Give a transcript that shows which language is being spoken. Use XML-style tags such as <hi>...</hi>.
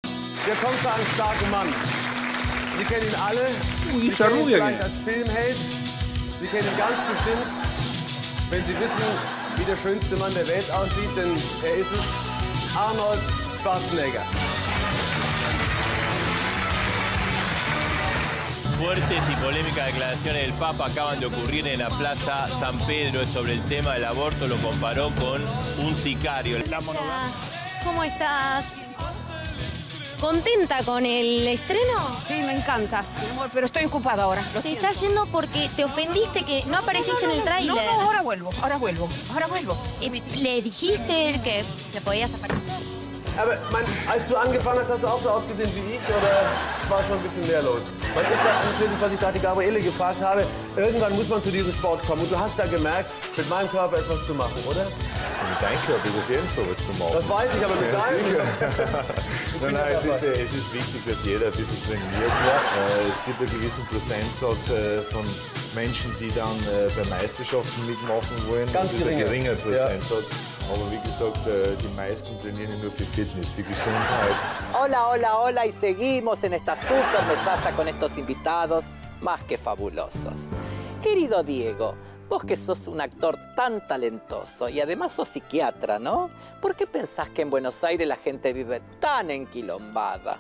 <de>Wir kommen zu einem starken Mann. Sie kennen ihn alle. Sie kennen ihn vielleicht als Filmheld. Sie kennen ihn ganz bestimmt, wenn Sie wissen, wie der schönste Mann der Welt aussieht, denn er ist es, Arnold Schwarzenegger.</de> <es>Fuertes y polémicas declaraciones del Papa acaban de ocurrir en la Plaza San Pedro sobre el tema del aborto. Lo comparó con un sicario. ¿Cómo estás? ¿Contenta con el estreno? Sí, me encanta, mi amor, pero estoy ocupada ahora. Te está yendo porque te ofendiste que no apareciste en el tráiler. No, ahora vuelvo, ahora vuelvo. ¿Le dijiste que te podías aparecer?</es> <de>Aber mein, als du angefangen hast, hast du auch so ausgesehen wie ich oder war schon ein bisschen mehr los? Man ist ja, was ich gerade Gabriele gefragt habe, irgendwann muss man zu diesem Sport kommen. Und du hast ja gemerkt, mit meinem Körper ist was zu machen, oder? Das ist mit deinem Körper, ich habe irgendwo was zu machen. Das weiß ich, aber mit deinem. Nein, nein, es ist wichtig, dass jeder ein bisschen trainiert. Ja. Es gibt einen gewissen Prozentsatz von Menschen, die dann bei Meisterschaften mitmachen wollen. Ganz das ist ein geringer Prozentsatz. Ja. Aber wie gesagt, die meisten trainieren nur für Fitness, für Gesundheit.</de> <es>Hola, hola, hola, y seguimos en esta super mesaza con estos invitados más que fabulosos. Querido Diego, vos que sos un actor tan talentoso y además sos psiquiatra, ¿no? ¿Por qué pensás que en Buenos Aires la gente vive tan enquilombada?</es>